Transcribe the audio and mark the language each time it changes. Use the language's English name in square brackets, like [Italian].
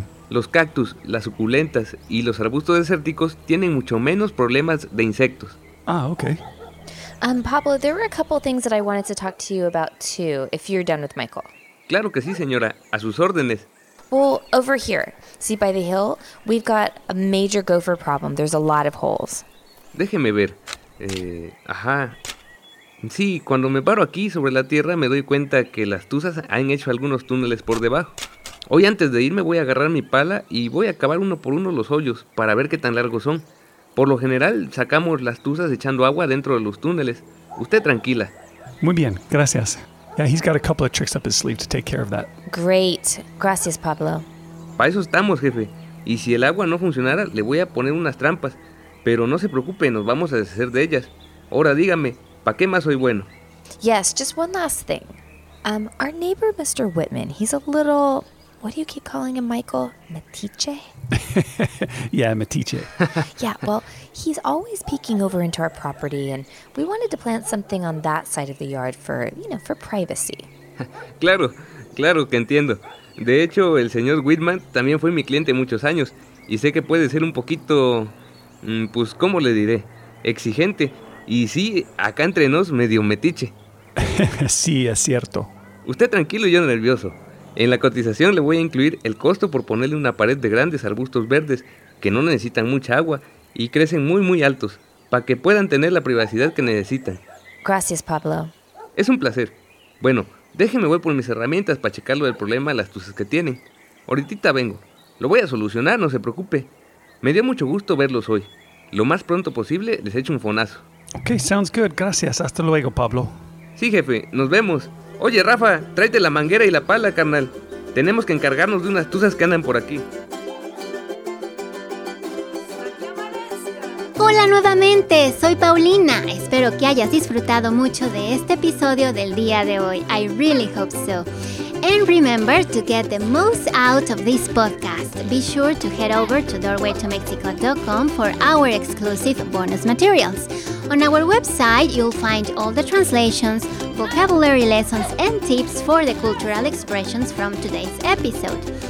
[Spanish] Los cactus, las suculentas y los arbustos desérticos tienen mucho menos problemas de insectos. Ah, ok. [English] Pablo, there were a couple things that I wanted to talk to you about too, if you're done with Michael. [Spanish] Claro que sí, señora. A sus órdenes. [English] Well, over here. See, by the hill, we've got a major gopher problem. There's a lot of holes. [Spanish] Déjeme ver. Ajá. Sí, cuando me paro aquí sobre la tierra, me doy cuenta que las tuzas han hecho algunos túneles por debajo. Hoy, antes de irme, voy a agarrar mi pala y voy a cavar uno por uno los hoyos para ver qué tan largos son. Por lo general, sacamos las tuzas echando agua dentro de los túneles. Usted tranquila. Muy bien, gracias. [English] Yeah, he's got a couple of tricks up his sleeve to take care of that. Great. [Spanish] Gracias, [English] Pablo. [Spanish] Para eso estamos, jefe. Y si el agua no funcionara, le voy a poner unas trampas. Pero no se preocupe, nos vamos a deshacer de ellas. Ahora dígame, ¿para qué más soy bueno? [English] Yes, just one last thing. Our neighbor, Mr. Whitman, he's a little... What do you keep calling him, Michael? Metiche? Yeah, Metiche. Yeah, well, he's always peeking over into our property, and we wanted to plant something on that side of the yard for, you know, for privacy. [Spanish] Claro, claro que entiendo. De hecho, el señor Whitman también fue mi cliente muchos años, y sé que puede ser un poquito, pues, ¿cómo le diré? Exigente. Y sí, acá entre nos, medio metiche. Sí, es cierto. Usted tranquilo y yo nervioso. En la cotización le voy a incluir el costo por ponerle una pared de grandes arbustos verdes que no necesitan mucha agua y crecen muy, muy altos para que puedan tener la privacidad que necesitan. Gracias, Pablo. Es un placer. Bueno, déjeme voy por mis herramientas para checar lo del problema de las tuzas que tienen. Ahoritita vengo. Lo voy a solucionar, no se preocupe. Me dio mucho gusto verlos hoy. Lo más pronto posible les echo un fonazo. [English] Ok, sounds good. [Spanish] Gracias. Hasta luego, [English] Pablo. [Spanish] Sí, jefe. Nos vemos. Oye, Rafa, tráete la manguera y la pala, carnal. Tenemos que encargarnos de unas tuzas que andan por aquí. Hola nuevamente, soy Paulina. Espero que hayas disfrutado mucho de este episodio del día de hoy. [English] I really hope so. And remember, to get the most out of this podcast, be sure to head over to doorwaytomexico.com for our exclusive bonus materials. On our website, you'll find all the translations, vocabulary lessons, and tips for the cultural expressions from today's episode.